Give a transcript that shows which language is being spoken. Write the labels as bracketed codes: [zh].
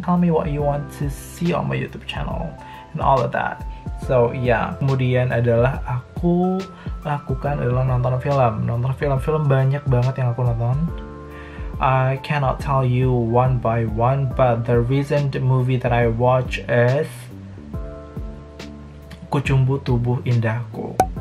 [en] Tell me what you want to see on my YouTube channel and all of that. So yeah, [id] kemudian adalah aku lakukan adalah nonton film banyak banget yang aku nonton. [en] I cannot tell you one by one, but the recent movie that I watch is Kucumbu Tubuh Indahku.